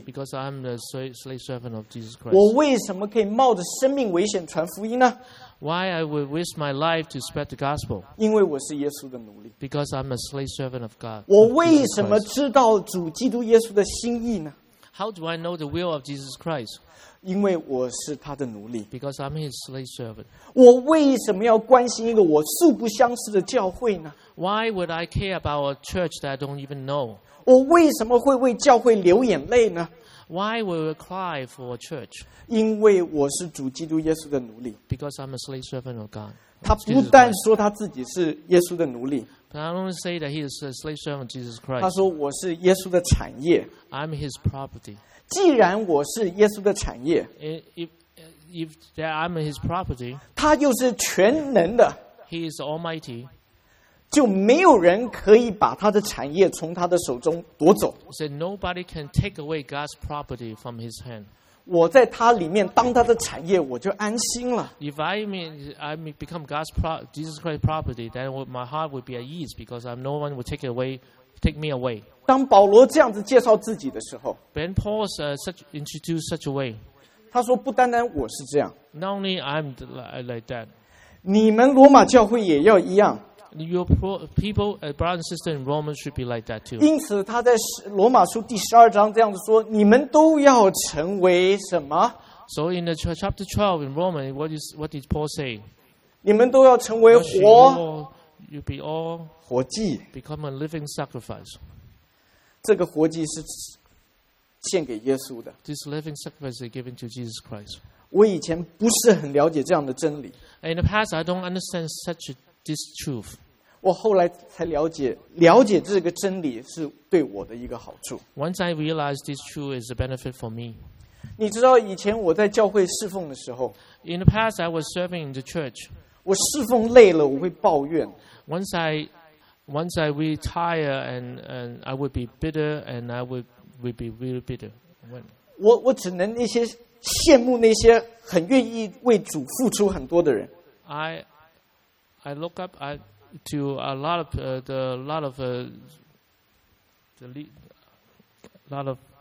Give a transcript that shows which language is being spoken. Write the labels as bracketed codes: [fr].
[en] Because I'm the slave servant of Jesus Christ. [zh] 我为什么可以冒着生命危险传福音呢？ [en] Why I would risk my life to spread the gospel? [zh] 因为我是耶稣的奴隶。 [en] Because I'm a slave servant of God. [zh] 我为什么知道主基督耶稣的心意呢？ [en] How do I know the will of Jesus Christ? [zh] 因为我是他的奴隶。 [en] Because I'm his slave servant. [zh] 我为什么要关心一个我素不相识的教会呢？ [en] Why would I care about a church that I don't even know? [zh] 我为什么会为教会流眼泪呢？ [en] Why will I cry for a church? [zh] 因为我是主基督耶稣的奴隶。 [en] Because I'm a slave servant of God. [zh] 他不但说他自己是耶稣的奴隶。 [en] But I don't say that he is a slave servant of Jesus Christ. [zh] 他说我是耶稣的产业。 [en] I'm his property. [zh] 既然我是耶稣的产业。 [en] If that I'm his property. [zh] 他又是全能的。 [en] He is almighty. [zh] 就没有人可以把他的产业从他的手中夺走。 [en] So nobody can take away God's property from his hand. [zh] 我在他里面当他的产业，我就安心了。 [en] If I become God's Jesus Christ's property, then my heart would be at ease because no one would take me away. [zh] 当保罗这样子介绍自己的时候 [en] ，Ben Paul introduced such a way. [zh] 他说不单单我是这样 [en] ，Not only I'm like that. [zh] 你们罗马教会也要一样。 [en] Your people, brothers and sisters in Rome should be like that too. [zh] 因此，他在罗马书第十二章这样子说：“你们都要成为什么 [en] ？”So in the chapter 12 in Romans, what did Paul say? [zh] 你们都要成为活。 [en] You be all [zh] 活祭 [en] ，become a living sacrifice. [zh] 这个活祭是献给耶稣的。 [en] This living sacrifice is given to Jesus Christ. [zh] 我以前不是很了解这样的真理。 [en] In the past, I don't understand such a this truth. [zh] 我后来才了解，了解这个真理是对我的一个好处。 [en] Once I realized this truth is a benefit for me. [zh] 你知道以前我在教会侍奉的时候 [en] ，In the past I was serving in the church. [zh] 我侍奉累了，我会抱怨。 [en] Once I retire and I would be bitter and I would be really bitter. [zh] 我只能那些羡慕那些很愿意为主付出很多的人。 [en] I look up to a lot of the lot of the lot of